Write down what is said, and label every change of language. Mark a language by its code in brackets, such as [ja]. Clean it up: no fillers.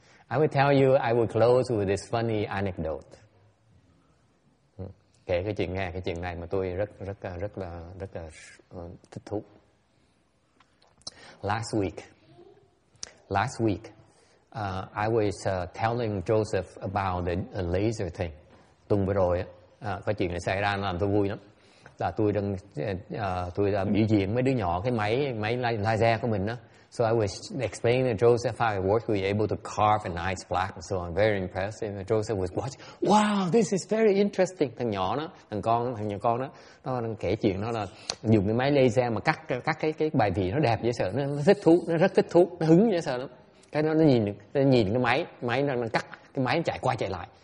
[en] I will tell you, I will close with this funny anecdote. [vi] Kể cái chuyện nghe cái chuyện này mà tôi rất là thích thú. [en] Last week, I was telling Joseph about the laser thing. [vi] Tuần vừa rồi, có chuyện này xảy ra làm tôi vui lắm. Là tôi đang biểu diễn mấy đứa nhỏ cái máy laser của mình đó. [en] So I was explaining to Joseph how I worked. We were able to carve a nice plaque and so on. Very impressive. And Joseph was watching. Wow, this is very interesting. [vi] Thằng nhỏ con đó, nó đang kể chuyện nó là dùng cái máy laser mà cắt cái bài vị nó đẹp dễ sợ. Nó rất thích thú, nó hứng dễ sợ lắm. Cái nó nhìn cái máy nó đang cắt, cái máy nó chạy qua chạy lại.